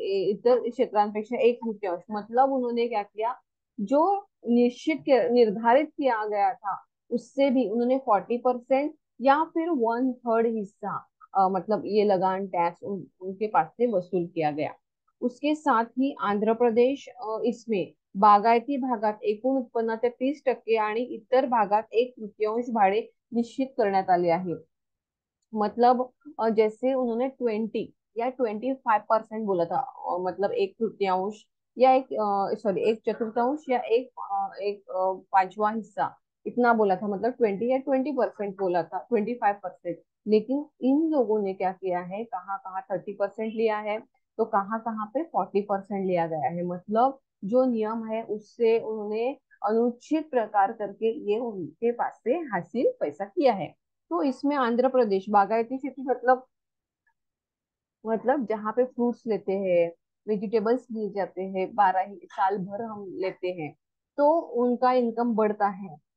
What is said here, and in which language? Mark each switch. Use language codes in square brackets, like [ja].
[hi] इतर क्षेत्रांपेक्षा 1/3, मतलब उन्होंने क्या किया, जो निश्चित निर्धारित किया गया था उससे भी उन्होंने 40% या फिर 1/3 हिस्सा, मतलब ये लगान टैक्स उनके पास से वसूल किया गया। उसके साथ ही आंध्र प्रदेश इसमें [mr] बागायती भागात एकूण उत्पन्नाच्या 30% आणि इतर भागात 1/3 भाडे निश्चित करण्यात आले आहे, [hi] मतलब जैसे उन्होंने 20 या 25% बोला था, मतलब 1/3 या एक सॉरी 1/4 या एक पांचवा हिस्सा इतना बोला था, मतलब 20 या 20% बोला था, 25%। लेकिन इन लोगों ने क्या किया है, कहाँ कहाँ 30% लिया है तो कहाँ कहाँ पे 40% लिया गया है, मतलब जो नियम है उससे उन्होंने अनुचित प्रकार करके ये उनके पास से हासिल पैसा किया है। तो इसमें आंध्र प्रदेश बागायती क्षेत्र, मतलब जहाँ पे फ्रूट्स लेते हैं, वेजिटेबल्स लिए जाते हैं, 12 ही साल भर हम लेते हैं, तो उनका इनकम बढ़ता है।